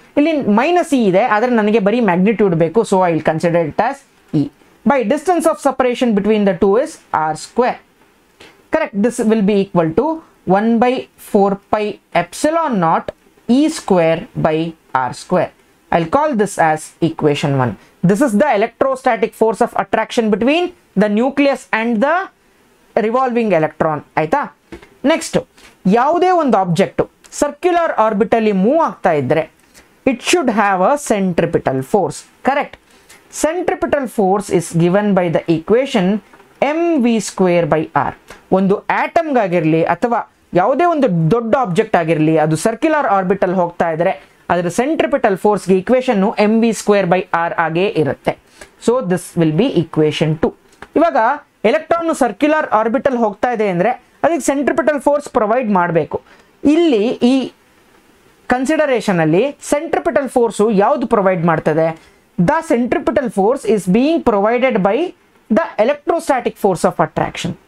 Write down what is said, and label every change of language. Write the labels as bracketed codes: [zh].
[kn] ಇಲ್ಲಿ minus E ಇದೆ, ಆದರೆ ನನಗೆ ಬರೀ ಮ್ಯಾಗ್ನಿಟ್ಯೂಡ್ ಬೇಕು. [en] So I will consider it as e. By distance of separation between the two is r². Correct. This will be equal to 1/4π epsilon naught e² / r². I'll call this as equation 1. This is the electrostatic force of attraction between the nucleus and the revolving electron. [kn] Aita? [en] Next, [kn] yavude ond [en] object circular orbitally move [kn] aagta idre, [en] it should have a centripetal force. Correct. Centripetal force is given by the equation mv² / r. [kn] Ondu atom gagirli athava yavude ond dodda object agirli adu circular orbital hogta idre, ಅದರ centripetal ಫೋರ್ಸ್ಗೆ ಈಕ್ವೇಷನ್ನು mv² / r ಆಗೇ ಇರುತ್ತೆ. [en] So this will be equation 2. [kn] ಇವಾಗ electron circular orbital ಹೋಗ್ತಾ ಇದೆ ಅಂದರೆ ಅದಕ್ಕೆ centripetal force provide ಮಾಡಬೇಕು. ಇಲ್ಲಿ ಈ ಕನ್ಸಿಡರೇಷನಲ್ಲಿ ಸೆಂಟ್ರಿಪಿಟಲ್ ಫೋರ್ಸು ಯಾವುದು ಪ್ರೊವೈಡ್ ಮಾಡ್ತದೆ? [en] The centripetal force is being provided by the electrostatic force of attraction.